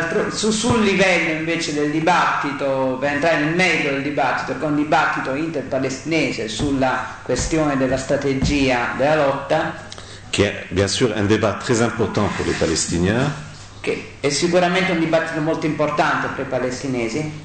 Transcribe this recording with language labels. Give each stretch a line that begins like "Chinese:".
Italian: Sul livello invece del dibattito, per entrare nel merito del dibattito, con il dibattito interpalestinese sulla questione della strategia della lotta, che è
French: bien sûr un débat très important pour les palestiniens,
Italian: che è sicuramente un dibattito molto importante per i palestinesi,